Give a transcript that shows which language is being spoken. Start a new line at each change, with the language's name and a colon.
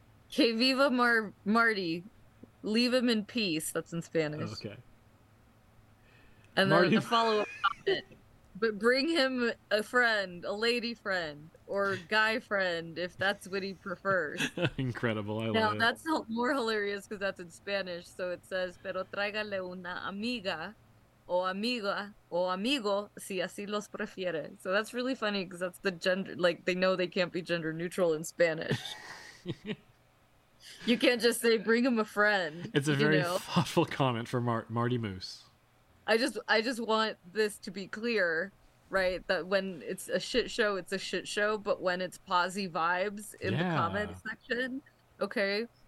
Spanish: Que viva Marty.
English: Leave him in peace. That's in Spanish. Okay. And then the follow-up comment. But bring him a friend, a lady friend, or guy friend, if that's what he prefers. Incredible. I love now, it. That's more hilarious because that's in Spanish. So it says,
Spanish: pero tráigale una amiga, o amiga, o amigo, si así los prefiere.
English: So that's really funny because that's the gender, like, they know they can't be gender neutral in Spanish. You can't just say, bring him a friend. It's a very thoughtful comment for Marty Moose. I just want this to be clear, right? That when it's a shit show, it's a shit show. But when it's posy vibes in the comment section, okay?